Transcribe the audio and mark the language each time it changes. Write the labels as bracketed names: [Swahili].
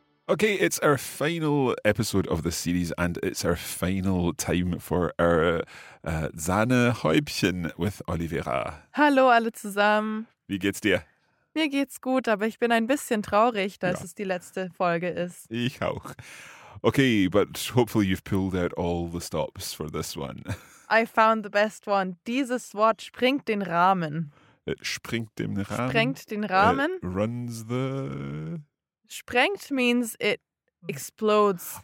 [English] Okay, it's our final episode of the series, and it's our final time for our Sahnehäubchen with Oliveira. [German] Hallo alle zusammen. Wie geht's dir? Mir geht's gut, aber ich bin ein bisschen traurig, dass es die letzte Folge ist. Ich auch. [English] Okay, but hopefully you've pulled out all the stops for this one. I found the best one. [German] Dieses Wort springt den Rahmen. [English] It [German] springt den Rahmen. Sprengt den Rahmen. [English] It runs the... Sprengt means it explodes.